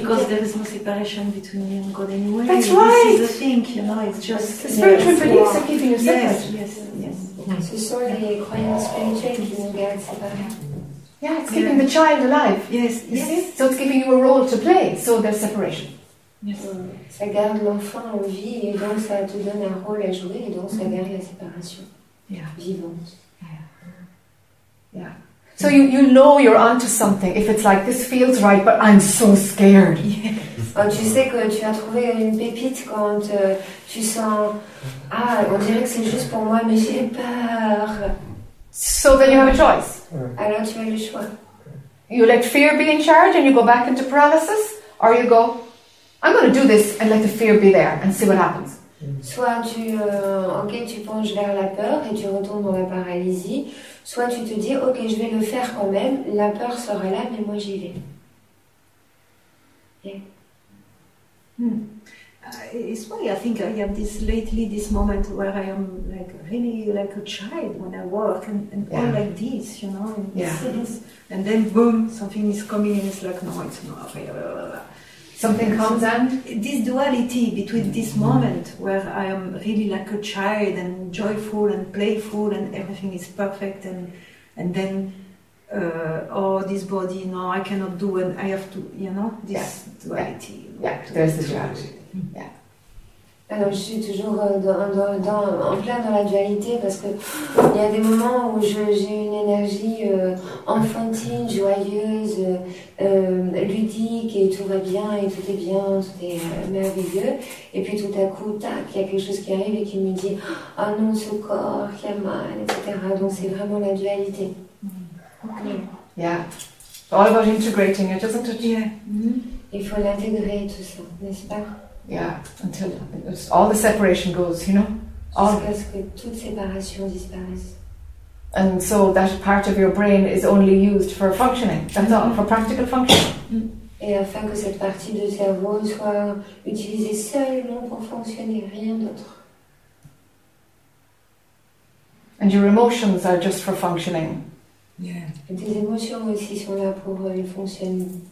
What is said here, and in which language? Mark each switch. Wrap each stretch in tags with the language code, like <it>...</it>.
<en>Because there is no separation between me and God anyway. That's right. This is the thing, you know, it's just... The spiritual beliefs are keeping you separate. Yes. Mm-hmm. So sorry, the equine spirit changes and get separate. Yeah, it's keeping the child alive. Yes. So it's giving you a role to play, so there's separation. Yes.</en> <fr>Ça garde l'enfant en vie et donc ça te donne un rôle à jouer et donc ça garde la séparation vivante.</fr> <en>Yeah. So you know you're onto something if it's like this feels right, but I'm so scared.</en> <fr>Oh, tu sais que tu as trouvé une pépite quand tu sens on dirait que c'est juste pour moi mais j'ai peur.</fr> <en>So then you have a choice.</en> <fr>Alors tu as le choix.</fr> <en>You let fear be in charge and you go back into paralysis, or you go, I'm going to do this and let the fear be there and see what happens.</en> <fr>Soit tu tu penches vers la peur et tu retombes dans la paralysie. Soit tu te dis ok, je vais le faire quand même. La peur sera là, mais moi j'y vais.</fr> <en>It's why I think I have this lately this moment where I am like really like a child when I walk and all like this, you know, and this, and then boom, something is coming and it's like no, it's not. Blah, blah, blah. Something comes and this duality between this moment where I am really like a child and joyful and playful and everything is perfect and then this body, no, I cannot do and I have to, you know, this duality. There's the duality. Yeah.</en> <fr>Alors je suis toujours en plein dans la dualité parce que il y a des moments où j'ai une énergie enfantine, joyeuse. Ludique et tout va bien et tout est bien, tout est merveilleux et puis tout à coup, tac, il y a quelque chose qui arrive et qui me dit oh non, ce corps qui a mal, etc. Donc c'est vraiment la dualité.</fr> <en>Okay. Yeah, all about integrating it, doesn't it? Yeah. Mm-hmm.</en> <fr>Il faut l'intégrer tout ça, n'est-ce pas?</fr> <en>Yeah, until all the separation goes, you know?</en> <fr>Jusqu'à ce que toute séparation disparaisse.</fr> <en>And so that part of your brain is only used for functioning. That's all, for practical functioning.</en> <fr>Et afin que cette partie de cerveau soit utilisée seulement pour fonctionner, rien d'autre.</fr> <en>And your emotions are just for functioning. Yeah.</en> <fr>Et tes émotions aussi sont là pour fonctionner.</fr>